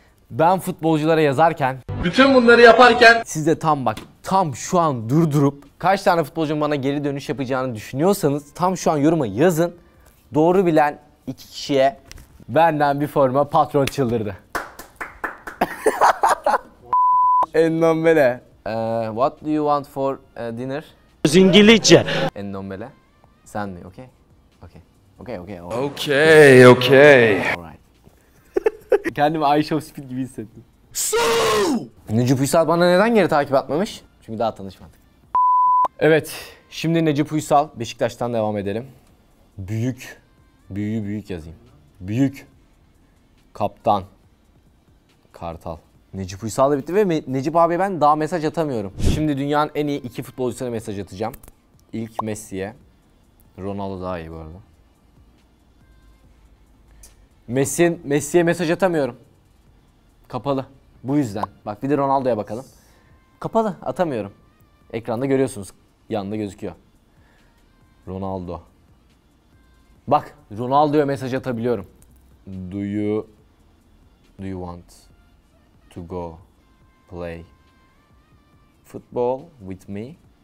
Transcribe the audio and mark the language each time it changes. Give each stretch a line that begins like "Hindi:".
Turkish: Ben futbolculara yazarken, bütün bunları yaparken, siz de tam bak, tam şu an durdurup kaç tane futbolcunun bana geri dönüş yapacağını düşünüyorsanız tam şu an yoruma yazın. Doğru bilen iki kişiye benden bir forma patron çıldırdı. En nombele.
English: What do you want for dinner?
Turkish: İngilizce.
English: En nombele.
Turkish: Sen mi?
English: Okay. Okay. Okay. Okay. Okay. Okay. Okay. Alright.
Turkish: Kendimi Ayşe of Speed gibi hissettim. Necip Uysal bana neden geri takip atmamış? Çünkü daha tanışmadık. Evet, şimdi Necip Uysal, Beşiktaş'tan devam edelim. Büyük, büyüğü büyük yazayım. Büyük, kaptan, kartal. Necip Uysal da bitti ve Necip abi ben daha mesaj atamıyorum. Şimdi dünyanın en iyi iki futbolcusuna mesaj atacağım. İlk Messi'ye. Ronaldo daha iyi bu arada. Messi'ye mesaj atamıyorum. Kapalı. Bu yüzden. Bak bir de Ronaldo'ya bakalım. Kapalı. Atamıyorum. Ekranda görüyorsunuz. Yanında gözüküyor. Ronaldo. Bak. Ronaldo'ya mesaj atabiliyorum.
English: Do you want to go play football with me?